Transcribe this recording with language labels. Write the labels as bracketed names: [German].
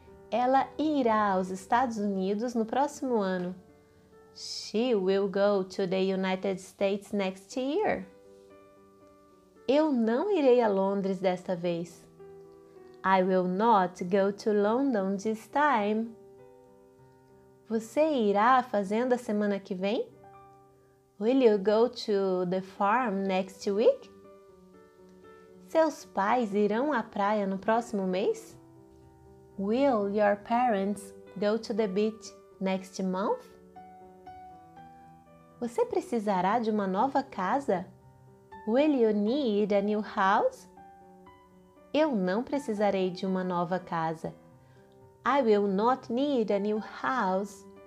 [Portuguese] Ela irá aos Estados Unidos no próximo ano. [English] She will go to the United States next year. [Portuguese] Eu não irei a Londres desta vez. [English] I will not go to London this time. [Portuguese] Você irá à fazenda semana que vem? [English] Will you go to the farm next week? [Portuguese] Seus pais irão à praia no próximo mês? [English] Will your parents go to the beach next month? [Portuguese] Você precisará de uma nova casa? [English] Will you need a new house? [Portuguese] Eu não precisarei de uma nova casa. [English] I will not need a new house.